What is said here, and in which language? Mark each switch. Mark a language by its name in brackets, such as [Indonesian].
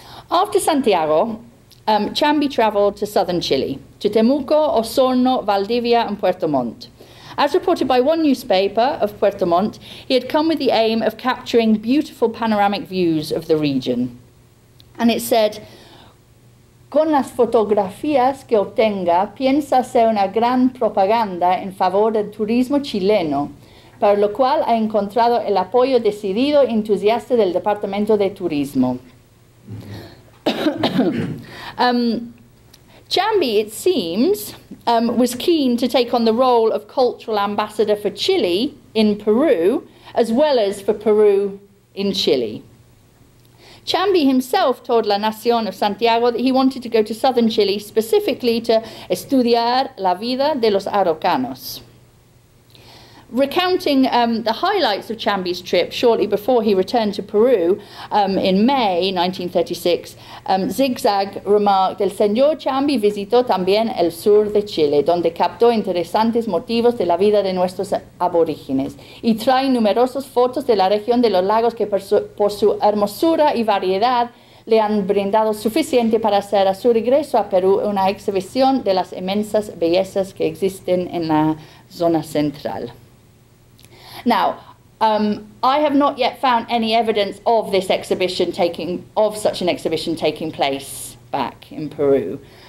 [English] After Santiago, Chambi traveled to southern Chile, to Temuco, Osorno, Valdivia, and Puerto Montt. As reported by one newspaper of Puerto Montt, he had come with the aim of capturing beautiful panoramic views of the region. And it said, [Spanish] "Con las fotografías que obtenga, piensa hacer una gran propaganda en favor del turismo chileno, para lo cual ha encontrado el apoyo decidido y entusiasta del Departamento de Turismo." [English] Chambi, it seems, was keen to take on the role of cultural ambassador for Chile in Peru, as well as for Peru in Chile. Chambi himself told La Nación of Santiago that he wanted to go to southern Chile specifically to [Spanish] estudiar la vida de los Araucanos. [English] Recounting the highlights of Chambi's trip shortly before he returned to Peru in May 1936, Zigzag remarked, [Spanish] "El señor Chambi visitó también el sur de Chile, donde captó interesantes motivos de la vida de nuestros aborígenes, y trae numerosas fotos de la región de los lagos que por su hermosura y variedad le han brindado suficiente para hacer a su regreso a Perú una exhibición de las inmensas bellezas que existen en la zona central." [English] Now, I have not yet found any evidence of this exhibition taking, of such an exhibition taking place back in Peru.